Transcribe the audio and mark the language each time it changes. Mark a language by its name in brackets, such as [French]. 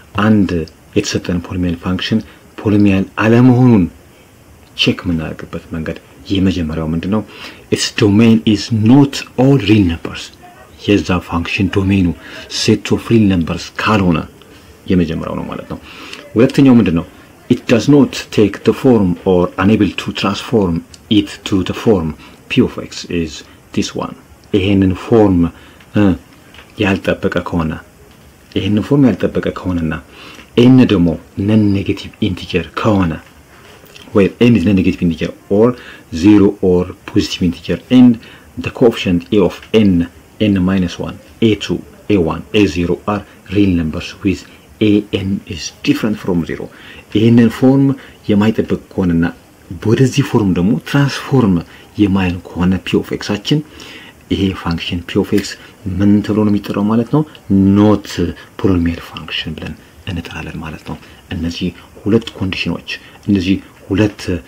[Amharic] አንድ የተሰጠን ፖሊኖሚያል ፋንክሽን ፖሊኖሚያል አለመሆኑን ቼክ ምናረጋግጥበት መንገድ የመጀመሪያው ምንድነው? [English] its domain is not all real numbers. [Amharic] የዛ ፋንክሽን ዶሜኑ [English] set of real numbers [Amharic] ካልሆነ የመጀመሪያው ነው ማለት ነው። ሁለተኛው ምንድነው? [English] it does not take the form or unable to transform it to the form p of x is this one. [Amharic] ይሄንን ፎርም ያልተጠበቀ ከሆነ ይሄንን ፎርም ያልተጠበቀ ከሆነና n ደግሞ ነን ኔጌቲቭ ኢንቲጀር ከሆነ [English] where n is a negative integer or zero or positive integer and the coefficient a of n n minus 1 a2 a1 a0 are real numbers with an is different from 0 in form [Amharic] የማይጠበቅ ከሆነና ወደዚህ form ደግሞ transform የማይሆን ከሆነ p of x አችን ይሄ function p of x ምን ተብሎ ነው የሚጠራው ማለት ነው? [English] not polynomial function [Amharic] ብለን እንጠራለን ማለት ነው። እነዚህ ሁለት ኮንዲሽኖች እነዚህ ሁለት